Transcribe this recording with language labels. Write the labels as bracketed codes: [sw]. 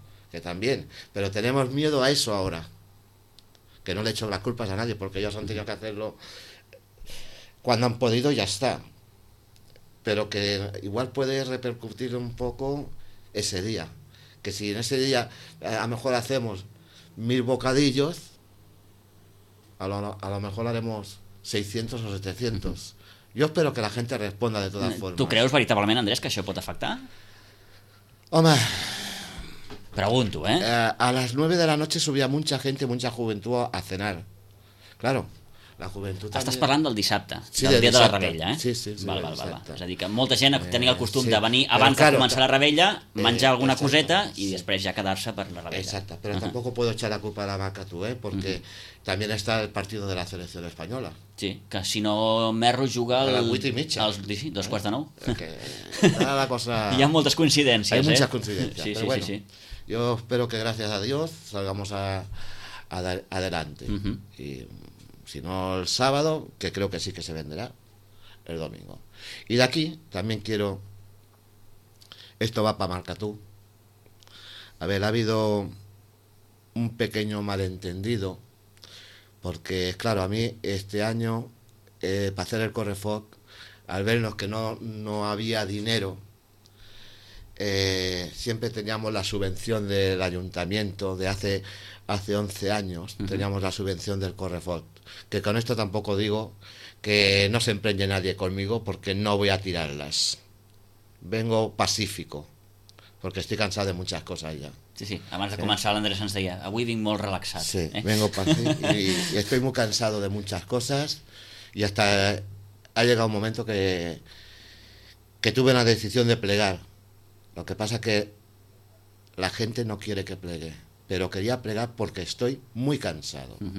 [es] Que también, pero tenemos miedo a eso ahora, que no le echo las culpas a nadie, porque ellos han tenido que hacerlo cuando han podido, ya está, pero que igual puede repercutir un poco ese día, que si en ese día a lo mejor hacemos 1000 bocadillos, a lo mejor haremos 600 o 700, yo espero que la gente responda de todas formas. [ca] ¿Tú creus veritablement, Andrés, que això pot afectar? Home... [es] Pregunto, ¿eh? A las 9 de la noche subía mucha gente, mucha juventud a cenar. Claro, la juventud [ca] también... Estás parlando del dissabte, sí, del dia de la revella, ¿eh? Sí, Val. És a dir, que molta gent tenia el costum de venir abans de començar la revella, menjar alguna coseta i després ja quedar-se per la revella. Exacte, però tampoc [es] puedo echar la culpa a la vaca tu, ¿eh? Porque también está el partido de la selección española. [ca] Sí, que si no Merro juga... A les 8 i mitja. Als, sí, 8:45. Que la cosa... Hi ha moltes coincidències, [es] ¿eh? Hay muchas coincidencias, pero bueno... Sí. Yo espero que gracias a Dios salgamos adelante. Y si no el sábado, que creo que sí que se venderá, el domingo. Y de aquí también quiero, esto va para Marcatú. A ver, ha habido un pequeño malentendido, porque es claro, a mí este año, para hacer el correfoc, al vernos que no había dinero... siempre teníamos la subvención del ayuntamiento de hace 11 años, teníamos la subvención del Correfort, que con esto tampoco digo que no se empeñe nadie conmigo porque no voy a tirarlas. Vengo pacífico, porque estoy cansado de muchas cosas ya. [ca] Sí, sí, abans de començar l'Andrés ens deia, avui vinc molt relaxat. [es] Sí, vengo pacífico y estoy muy cansado de muchas cosas y hasta ha llegado un momento que tuve la decisión de plegar. Lo que pasa es que la gente no quiere que plegue, pero quería plegar porque estoy muy cansado.